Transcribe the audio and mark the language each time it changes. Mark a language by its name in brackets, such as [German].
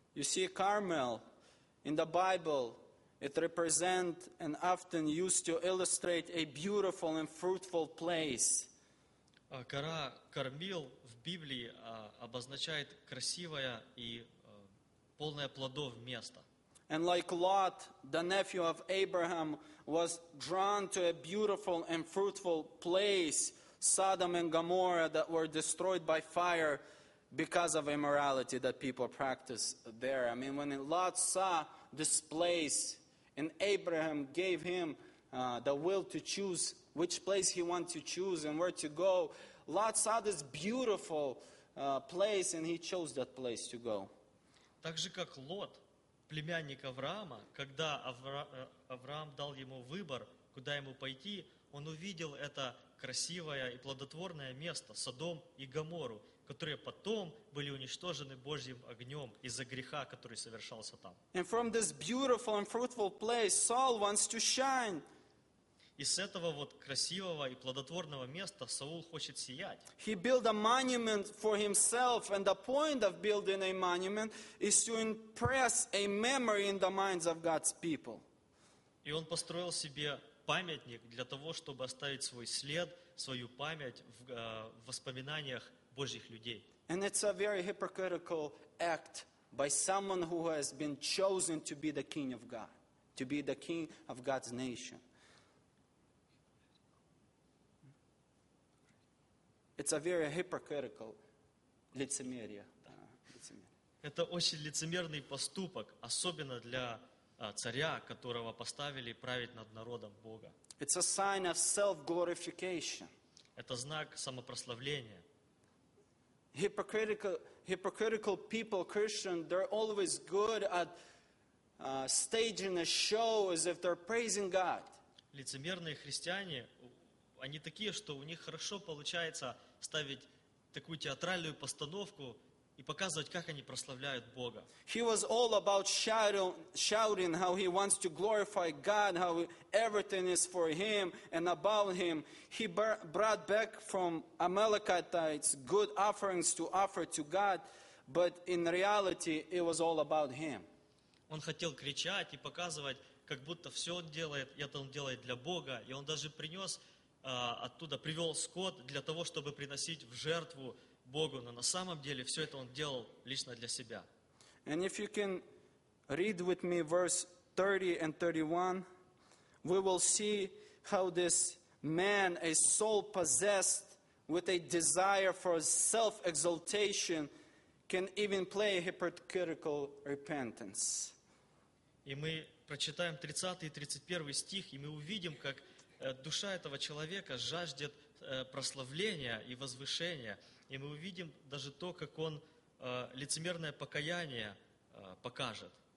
[English] You see, Carmel in the Bible, it represents and often used to illustrate a beautiful and fruitful place. [Russian] Гора Кармил в Библии обозначает красивое и полное плодов место. [English] And like Lot, the nephew of Abraham, was drawn to a beautiful and fruitful place, Sodom and Gomorrah, that were destroyed by fire because of immorality that people practiced there. I mean, when Lot saw this place, and Abraham gave him the will to choose which place he wanted to choose and where to go, Lot saw this beautiful place, and he chose that place to go. [Russian] Так же, как Лот, племянник Авраама, когда Авраам дал ему выбор, куда ему пойти, он увидел это красивое и плодотворное место, Содом и Гоморру, которые потом были уничтожены Божьим огнем из-за греха, который совершался там. [English] And from this beautiful and fruitful place, Saul wants to shine. [Russian] И с этого вот красивого и плодотворного места Саул хочет сиять. [English] He built a monument for himself, and the point of building a monument is to impress a memory in the minds of God's people. [Russian] И он построил себе памятник для того, чтобы оставить свой след, свою память в воспоминаниях Божьих людей. [English] And it's a very hypocritical act by someone who has been chosen to be the king of God, to be the king of God's nation. It's a very hypocritical лицемерие. [Russian] Это очень лицемерный поступок, особенно для царя, которого поставили править над народом Бога. [English] It's a sign of self-glorification. [Russian] Это знак самопрославления. [English] Hypocritical people, Christians, they're always good at staging a show as if they're praising God. [Russian] Лицемерные христиане, они такие, что у них хорошо получается ставить такую театральную постановку и показывать, как они прославляют Бога. [English] He was all about shouting how he wants to glorify God, how everything is for him and about him. He brought back from Amalekites good offerings to offer to God, but in reality it was all about him. [Russian] Он хотел кричать и показывать, как будто все он делает, это он делает для Бога, и он даже принес оттуда привел скот для того, чтобы приносить в жертву Богу, но на самом деле все это он делал лично для себя. [English] And if you can read with me verse 30 and 31, we will see how this man, a soul possessed with a desire for self-exaltation, can even play hypocritical repentance. [Russian] И мы прочитаем 30 и 31 стих, и мы увидим, как душа этого человека жаждет прославления и возвышения. И мы увидим даже то, как он лицемерное покаяние покажет.